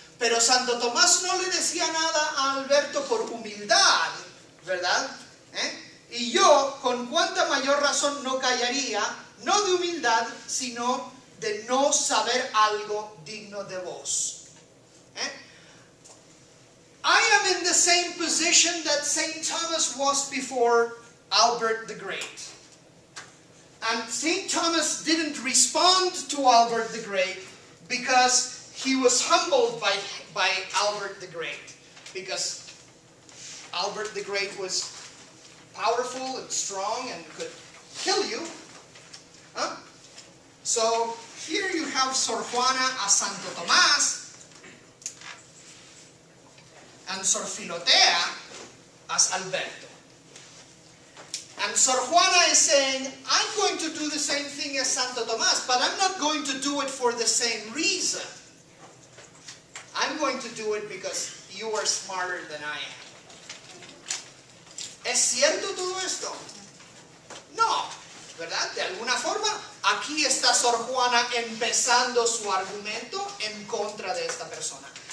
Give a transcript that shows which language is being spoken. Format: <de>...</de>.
<es>Pero Santo Tomás no le decía nada a Alberto por humildad, ¿verdad? Y yo, con cuánta mayor razón no callaría, no de humildad, sino de no saber algo digno de vos.</es> <en>I am in the same position that Saint Thomas was before Albert the Great. And Saint Thomas didn't respond to Albert the Great because he was humbled by Albert the Great. Because Albert the Great was powerful and strong and could kill you. So here you have Sor Juana a Santo Tomás and Sor Filotea as Alberto. And Sor Juana is saying, I'm going to do the same thing as Santo Tomás, but I'm not going to do it for the same reason. I'm going to do it because you are smarter than I am.</en> <es>¿Es cierto todo esto? No. ¿Verdad? De alguna forma, aquí está Sor Juana empezando su argumento en contra de esta persona.</es>